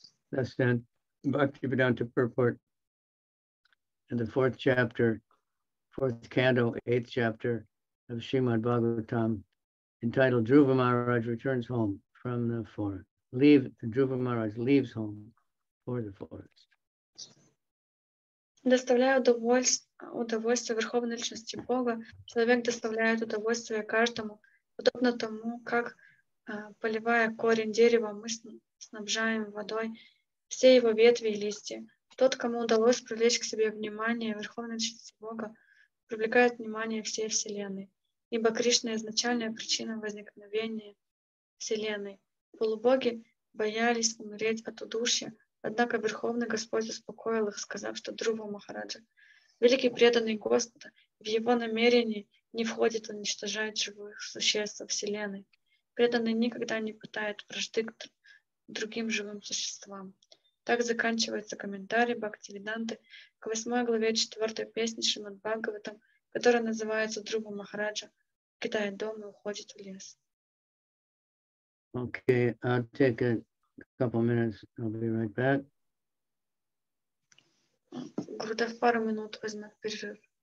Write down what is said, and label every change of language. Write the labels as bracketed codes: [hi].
[en] Thus then, Bhaktivedanta purport in the fourth chapter, fourth canto, eighth chapter of Srimad Bhagavatam, entitled Dhruva Mahārāja Returns Home from the Forest. Dhruva Mahārāja leaves home for the forest. [ru] Доставляя удовольствие Верховной Личности Бога, человек доставляет удовольствие каждому, подобно тому, как, поливая корень дерева, мы снабжаем водой все его ветви и листья. Тот, кому удалось привлечь к себе внимание Верховной Личности Бога, привлекает внимание всей Вселенной, ибо Кришна – изначальная причина возникновения Вселенной. Полубоги боялись умереть от удушья, однако Верховный Господь успокоил их, сказав, что Дхрува Махараджа – великий преданный Господа, в его намерении не входит уничтожать живых существ Вселенной. Преданный никогда не питает вражды к другим живым существам. Так заканчивается комментарий Бхактивиданты к восьмой главе четвёртой песни Шримад Бхагаватам, которая называется «Дхрува Махараджа покидает дом и уходит в лес». [en] Okay, I'll take it. Couple minutes, I'll be right back. [ru] Круто, в пару минут возьмет перерыв.